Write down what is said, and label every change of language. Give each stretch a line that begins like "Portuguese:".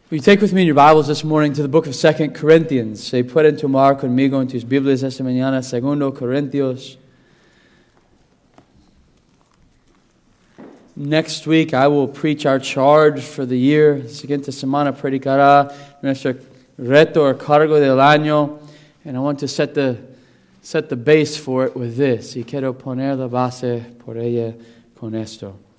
English: You take with me in your Bibles this morning to the book of 2 Corinthians.
Spanish: Se pueden tomar conmigo en tus Biblias esta mañana, 2 Corinthians.
English: Next week, I will preach our charge for the year.
Spanish: Siguiente semana predicará nuestro reto o cargo del año.
English: And I want to set the base for it with this.
Spanish: Y quiero poner la base por ella con esto.